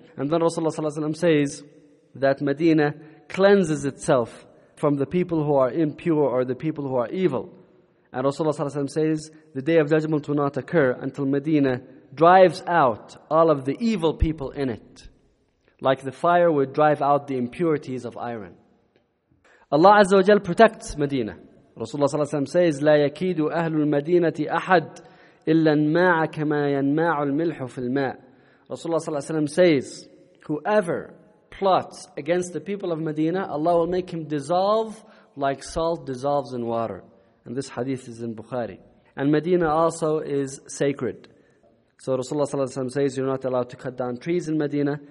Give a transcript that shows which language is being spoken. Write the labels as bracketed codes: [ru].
[en] And then Rasulullah sallallahu alayhi wa sallam says that Medina cleanses itself from the people who are impure or the people who are evil. And Rasulullah sallallahu alayhi wa sallam says, the day of judgment will not occur until Medina drives out all of the evil people in it, like the fire would drive out the impurities of iron. Allah Azza wa Jal protects Medina. Rasulullah sallallahu alayhi wa sallam says, [ar] لا يكيد أهل المدينة أحد إلا انماع كما ينماع الملح في الماء. [en] Rasulullah sallallahu alayhi wa sallam says, whoever plots against the people of Medina, Allah will make him dissolve like salt dissolves in water. And this hadith is in Bukhari. And Medina also is sacred. So Rasulullah sallallahu alayhi wa sallam says, you're not allowed to cut down trees in Medina.